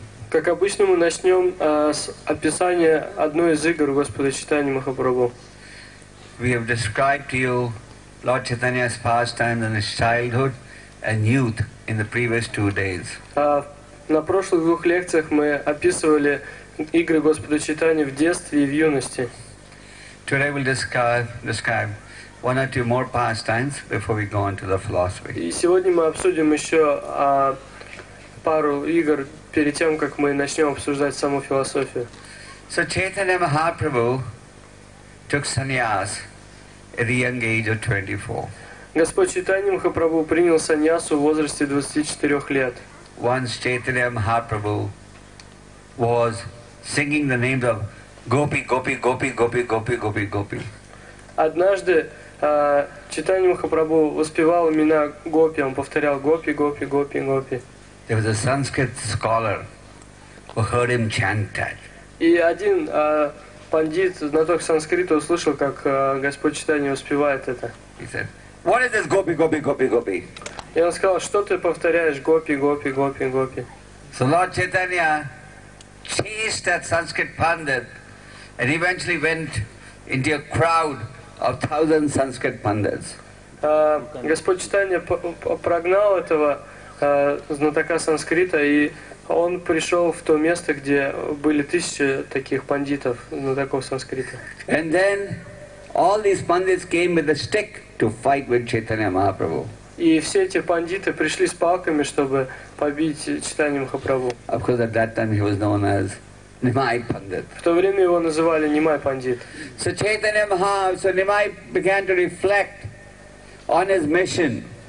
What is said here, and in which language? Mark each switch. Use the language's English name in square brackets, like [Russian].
[Russian] Как обычно, мы начнем с описания одной из игр Господа Чайтаньи Махапрабху. [English] We have described to you Lord Chaitanya's pastimes in his childhood and youth in the previous two days. [Russian] На прошлых двух лекциях мы описывали игры Господа Читания в детстве и в юности. [English] Today we'll describe one or two more pastimes before we go on to the philosophy. [Russian] И сегодня мы обсудим еще пару игр перед тем, как мы начнем обсуждать саму философию. [English] So Chaitanya Mahaprabhu took sannyas at the young age of 24. [Russian] Господь Чайтанья Махапрабху принял саньясу в возрасте 24 лет. [English] Once Chaitanya Mahaprabhu was singing the names of Gopi, Gopi, Gopi, Gopi, Gopi, Gopi, Gopi. [Russian] Однажды Чайтанья Махапрабху воспевал имена Гопи, он повторял Гопи, Гопи, Гопи, Гопи. [English] There was a Sanskrit scholar who heard him chant that. [Russian] И один пандит, знаток санскрита, услышал, как Господь Чайтанья воспевает это. [English] He said, "What is this Gopi, Gopi, Gopi, Gopi?" [Russian] И он сказал, что ты повторяешь Гопи, Гопи, Гопи, Гопи. [English] So Lord Chaitanya chased that Sanskrit pandit, and eventually went into a crowd of thousand Sanskrit pandits. [Russian] Господь Чайтанья прогнал этого знатока санскрита и он пришел в то место, где были тысячи таких пандитов, знатоков санскрита. [English] And then all these pandits came with a stick to fight with Chaitanya Mahaprabhu. [Russian] И все эти пандиты пришли с палками, чтобы побить Чайтанью Махапрабху. [English] Of course, at that time he was known as Nimai Pandit. [Russian] В то время его называли Nimai Pandit. [English] So Chaitanya Mahaprabhu, so Nimai began to reflect on his mission.